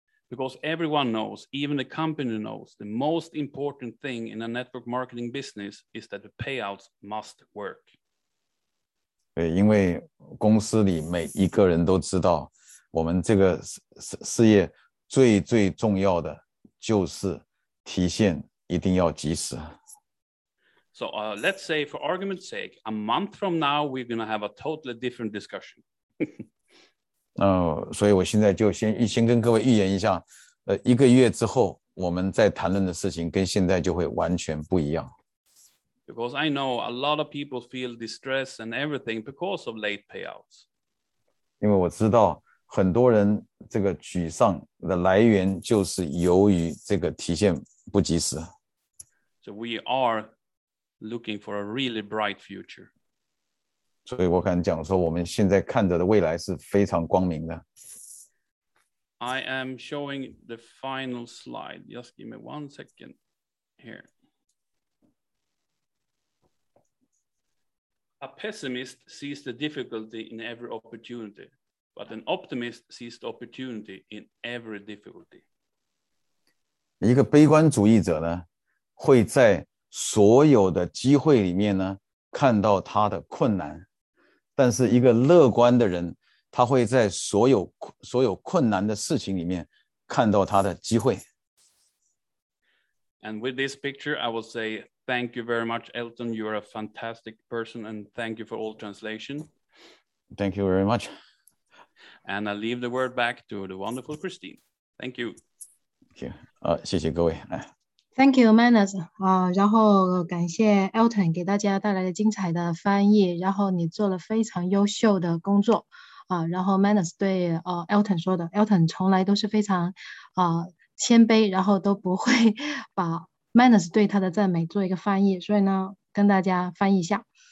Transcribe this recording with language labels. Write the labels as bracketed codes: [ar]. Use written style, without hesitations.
[en] Because everyone knows, even the company knows, the most important thing in a network marketing business is that the payouts must work. [zh] 对，因为公司里每一个人都知道，我们这个事业最最重要的就是提现一定要及时。 [en] So let's say for argument's sake, a month from now, we're going to have a totally different discussion. [zh] 所以我现在就先跟各位预言一下，一个月之后我们在谈论的事情跟现在就会完全不一样。 [en] Because I know a lot of people feel distress and everything because of late payouts. [zh] 因为我知道很多人这个沮丧的来源就是由于这个提现不及时。 [en] So we are looking for a really bright future. [zh] 所以我敢讲说，我们现在看着的未来是非常光明的。 [en] I am showing the final slide. Just give me one second here. A pessimist sees the difficulty in every opportunity, but an optimist sees the opportunity in every difficulty. [zh] 一个悲观主义者呢，会在所有的机会里面呢看到他的困难，但是一个乐观的人，他会在所有困难的事情里面看到他的机会。 [en] And with this picture I will say thank you very much Elton, you are a fantastic person and thank you for all translation. Thank you very much. And I leave the word back to the wonderful Christine. Thank you. Thank you. [zh] 谢谢各位。 [en] Thank you, Manus. [zh] 然后感谢 Elton 给大家带来的精彩的翻译，然后你做了非常优秀的工作。然后 Manus 对Elton 说的 ,Elton 从来都是非常谦卑，然后都不会把 Manus 对他的赞美做一个翻译，所以呢跟大家翻译一下。